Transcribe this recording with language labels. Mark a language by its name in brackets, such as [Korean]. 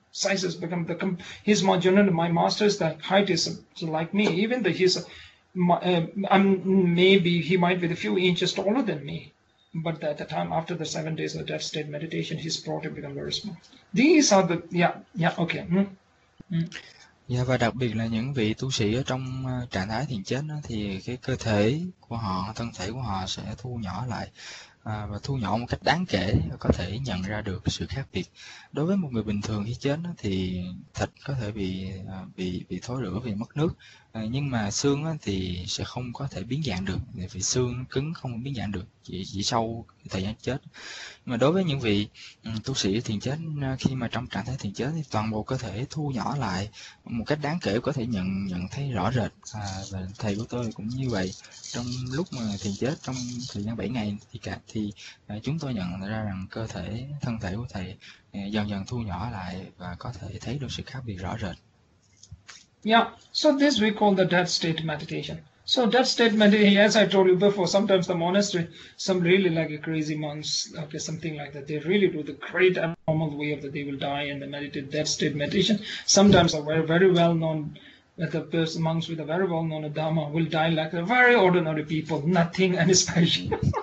[English] Sizes become, his my master's, the height is like me. Even the his maybe he might be a few inches taller than me, but at the time after the 7 days of death state meditation, he's probably become very small. These are the [Vietnamese] Dạ, và đặc biệt là những vị tu sĩ ở trong trạng thái thiền chết đó, thì cái cơ thể của họ, thân thể của họ sẽ thu nhỏ lại và thu nhỏ một cách đáng kể, có thể nhận ra được sự khác biệt. Đối với một người bình thường khi chết đó, thì thịt có thể bị thối rữa vì mất nước, nhưng mà xương đó, thì sẽ không có thể biến dạng được, vì xương cứng không biến dạng được chỉ sau thời gian chết. Nhưng mà đối với những vị tu sĩ thiền chết, khi mà trong trạng thái thiền chết thì toàn bộ cơ thể thu nhỏ lại một cách đáng kể, có thể nhận thấy rõ rệt. Và thầy của tôi cũng như vậy, trong lúc mà thiền chết trong thời gian 7 ngày thì cả thì chúng tôi nhận ra rằng cơ thể, thân thể của thầy dần dần thu nhỏ lại và có thể thấy được sự khác biệt rõ rệt. [English] Yeah, so this we call the death state meditation. So death state meditation, as I told you before, sometimes the monastery, some really like a crazy monks, okay, something like that, they really do the great abnormal way of that they will die and they meditate death state meditation. Sometimes a very, very well-known the person, monks with a very well-known Dhamma will die like a very ordinary people, nothing and special.